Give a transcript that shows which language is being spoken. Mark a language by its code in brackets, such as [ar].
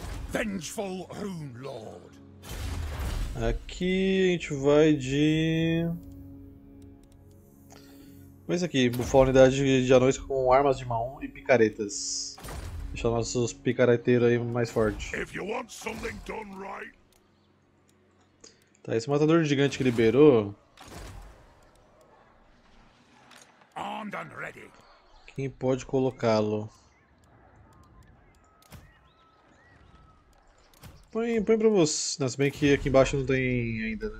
[pt] Vengeful Rune Lord. Aqui a gente vai de... Com esse aqui, bufar unidade de anões com armas de mão e picaretas. Deixar nossos picareteiros aí mais fortes. [en] If you want something done right. [pt] Tá, esse matador gigante que liberou. [en] Armed and ready. [pt] Quem pode colocá-lo? Põe pra você. Se bem que aqui embaixo não tem ainda, né?